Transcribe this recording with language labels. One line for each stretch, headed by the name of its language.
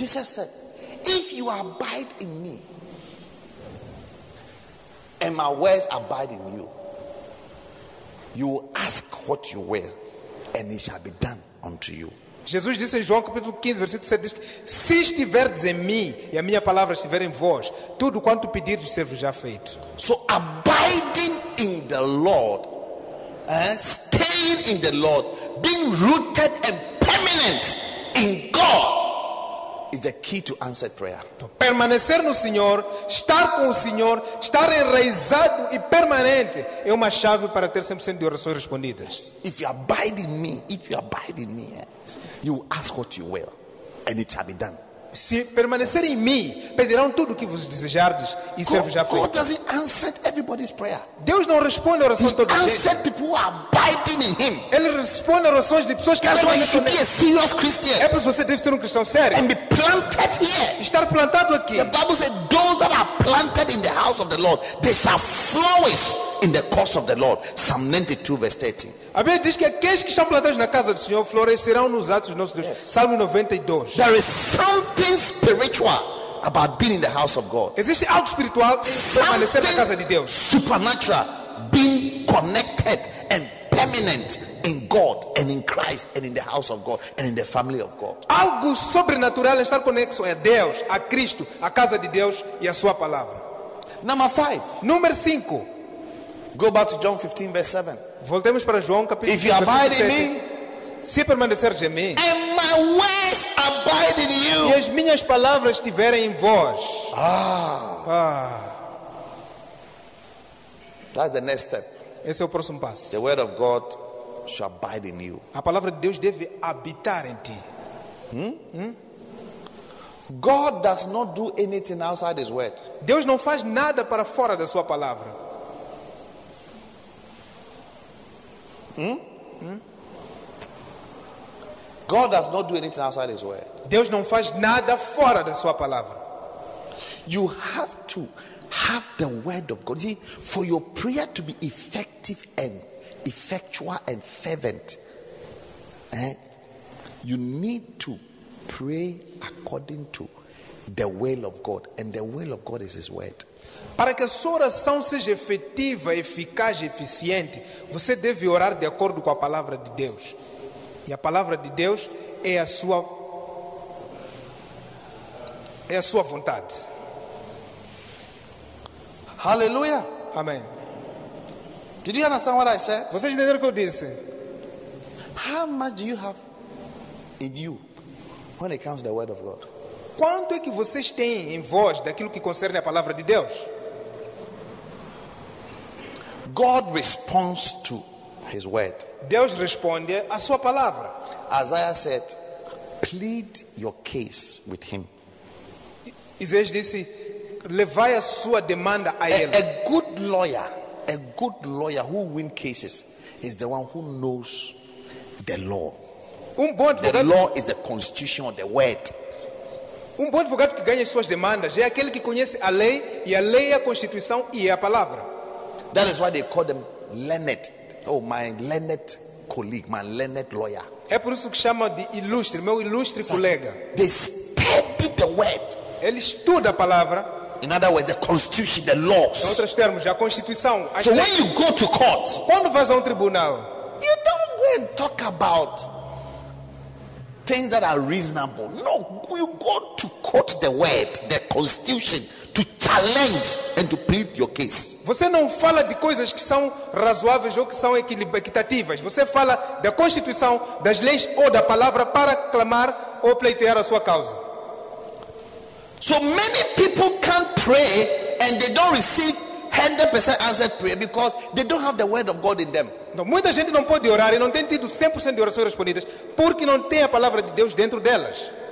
English: Jesus said, "If you abide in me, and my words abide in you, you will ask what you will, and it shall be done unto you."
Portuguese: Jesus disse em João capítulo 15 versículo 7, disse, se estiverdes em mim e a minha palavra estiver em vós, tudo quanto pedirdes ser-vos já feito.
English: So abiding in the Lord, staying in the Lord, being rooted and permanent in God is the key to answered prayer.
Portuguese: Então, permanecer no Senhor, estar com o Senhor, estar enraizado e permanente é uma chave para ter 100% de orações respondidas.
English: If you abide in me, if you abide in me, you will ask what you will, and it shall be done.
Portuguese: Se permanecer em mim, pedirão tudo o que vos desejardes e servos já feito.
English: God doesn't answer everybody's prayer.
Portuguese: Deus não responde a orações de todos.
English: He answers people who are abiding in Him.
Portuguese: Ele responde a orações de pessoas que estão nele.
English: Be a serious Christian.
Portuguese: É por isso que você deve ser um cristão sério.
English: And be planted here.
Portuguese: Estar plantado aqui.
English: The Bible says, "Those that are planted in the house of the Lord, they shall flourish in the course of the Lord." Psalm 92 verse 13.
Portuguese: A Bíblia diz que aqueles que estão plantados na casa do Senhor florescerão nos atos do nosso Deus.
English: Yes.
Portuguese: Salmo 92.
English: There is something spiritual about being in the house of God.
Portuguese: Existe algo espiritual em permanecer na casa de Deus.
English: Supernatural, being connected and permanent in God and in Christ and in the house of God and in the family of God.
Portuguese: Algo sobrenatural em estar conexo a Deus, a Cristo, a casa de Deus e a sua palavra.
English: Number 5.
Portuguese: Número 5.
English: Go back to John 15 verse 7.
Portuguese: Voltemos para João capítulo 15
English: verse
Portuguese: 7. Se permaneceres em mim,
English: and my words abide in you.
Portuguese: E as minhas palavras estiverem em vós.
English: That's the next step.
Portuguese: Esse é o próximo passo.
English: The word of God shall abide in you.
Portuguese: A palavra de Deus deve habitar em ti.
English: God does not do anything outside his word.
Portuguese: Deus não faz nada para fora da sua palavra.
English: God does not do anything outside his word.
Portuguese: Deus não faz nada fora da sua palavra.
English: You have to have the word of God. See, for your prayer to be effective and effectual and fervent, you need to pray according to the will of God, and the will of God is his word.
Portuguese: Para que a sua oração seja efetiva, eficaz e eficiente, você deve orar de acordo com a palavra de Deus. E a palavra de Deus é a sua vontade. Aleluia. Amém.
English: Did you understand what I said?
Portuguese: Vocês entenderam o que eu disse?
English: How much do you have in you when it comes to the word of God?
Portuguese: Quanto é que vocês têm em vós daquilo que concerne a palavra de Deus?
English: God responds to his word.
Portuguese: Deus responde à sua palavra.
English: Isaiah said, "Plead your case with him."
Portuguese: Isaías disse, "Levai a sua demanda a ele."
English: A good lawyer who wins cases is the one who knows the law.
Portuguese: Bom advogado,
English: the law is the constitution of the word.
Portuguese: Bom advogado que ganha as suas demandas é aquele que conhece a lei, e a lei é a constituição e é a palavra.
English: That is why they call them learned. Oh, my learned colleague, my learned lawyer.
Portuguese: É por isso que chama de ilustre, meu ilustre colega.
English: They study the word.
Portuguese: Ele estuda a palavra.
English: In other words, the constitution, the laws.
Portuguese: Em outros termos, a constituição.
English: So when you go to court,
Portuguese: quando vais a tribunal,
English: you don't go and talk about things that are reasonable. No, you go to quote the word, the constitution, to challenge and to plead your case.
Portuguese: Você não fala de coisas que são razoáveis ou que são equitativas. Você fala da constituição, das leis ou da palavra para clamar ou pleitear a sua causa.
English: So many people can't pray and they don't receive 100% answered prayer because they don't have the word of God in them.
Portuguese: Então, muita gente não pode orar e não tem tido 100% de orações respondidas porque não tem a palavra de Deus dentro delas.